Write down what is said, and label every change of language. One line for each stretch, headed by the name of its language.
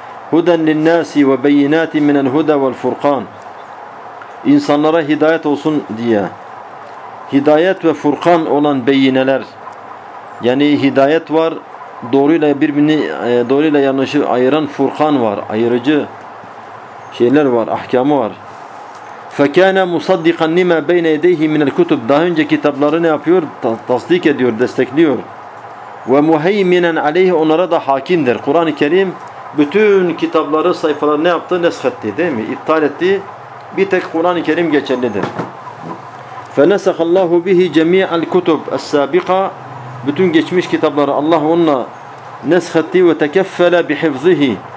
Arabic: Huden linnâsi ve beyinâti minel huda vel furkan
Turkish: İnsanlara hidayet olsun diye hidayet ve furkan olan beyineler yani hidayet var doğruyla birbirini doğruyla yanlışı ayıran furkan var ayırıcı şeyler var, ahkamı var.
Arabic: فَكَانَ مُصَدِّقًا لِمَا بَيْنَ يَدَيْهِ مِنَ الْكُتُبِ
Turkish: Daha önce kitapları ne yapıyor? Tasdik ediyor, destekliyor.
Arabic: وَمُهَيْمِنًا عَلَيْهِ
Turkish: Onlara da hakimdir. Kur'an-ı Kerim bütün kitapları, sayfaları ne yaptı? Neshetti değil mi? İptal etti. Bir tek Kur'an-ı Kerim geçerlidir.
Arabic: فَنَسَخَ اللّٰهُ بِهِ جَمِيعَ الْكُتُبِ السَّابِقَ
Turkish: Bütün geçmiş kitapları Allah onunla neshetti ve
Arabic: tekeffele bihifzihi.